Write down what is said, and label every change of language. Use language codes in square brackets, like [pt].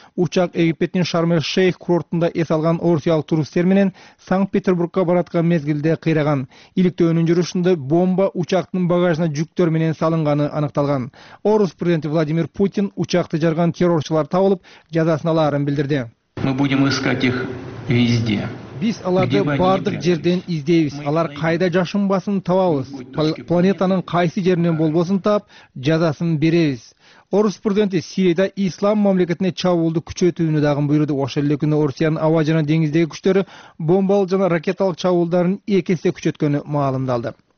[ky] Учак Египеттин Шарм-эль-Шейх курортунда эс алган орусиялык туристтер менен Санкт-Петербургга бараткан мезгилде кыйраган. Иликтөөнүн жүрүшүндө бомба учактын багажына жүктөр менен салынганы аныкталган. Орус президенти Владимир Путин учакты жарган террорчулар табылып, жазасын алаарын билдирди. [ru] Мы будем искать их везде. [ky] Биз аларды бардык жерден издейбиз. Алар кайда жашынбасын табабыз. Планетанын кайсы жеринен болбосун таап, жазасын беребиз. Орус президенти Сирияда ислам мамлекетине чабуулду күчөтүүнү дагы буйруду. Ошол эле күнү Орусиянын аба жана деңиздеги күчтөрү бомбалык жана ракеталык чабуулдарын эки эсе күчөткөнү маалымдалды.